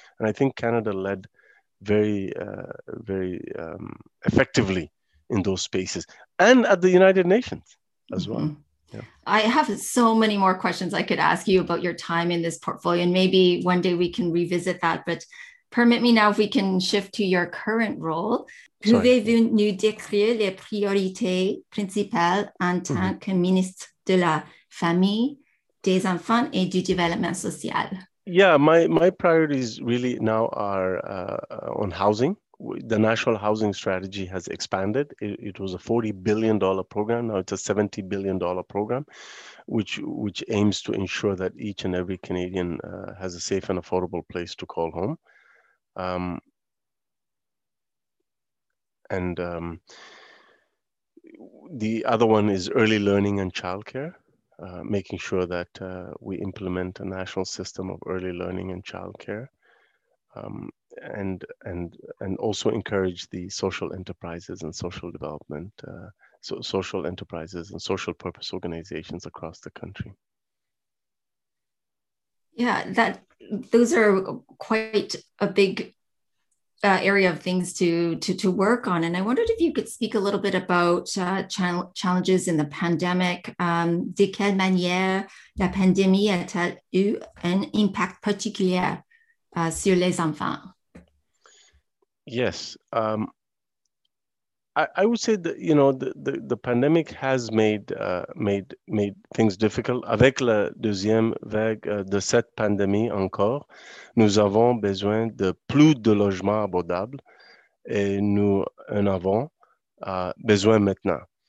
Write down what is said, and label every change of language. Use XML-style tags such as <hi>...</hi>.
<en>And I think Canada led very, very effectively in those spaces and at the United Nations as well. Yeah. I have so many more questions I could ask you about your time in this portfolio, and maybe one day we can revisit that. But permit me now if we can shift to your current role.</en> <fr>Pouvez-vous nous décrire les priorités principales en tant que ministre de la famille, des enfants et du développement social?</fr> <en>Yeah, my priorities really now are on housing. The National Housing Strategy has expanded. It was a $40 billion program. Now it's a $70 billion program, which aims to ensure that each and every Canadian has a safe and affordable place to call home. The other one is early learning and childcare, making sure that we implement a national system of early learning and childcare. And also encourage the social enterprises and social development, social enterprises and social purpose organizations across the country. Yeah, those are quite a big area of things to work on. And I wondered if you could speak a little bit about challenges in the pandemic.</en> <fr>De quelle manière la pandémie a-t-elle eu un impact particulier sur les enfants?</fr> <en>Yes, I would say that, you know, the pandemic has made things difficult.</en> <fr>Avec la deuxième vague de cette pandémie encore, nous avons besoin de plus de logements abordables et nous en avons besoin maintenant.</fr>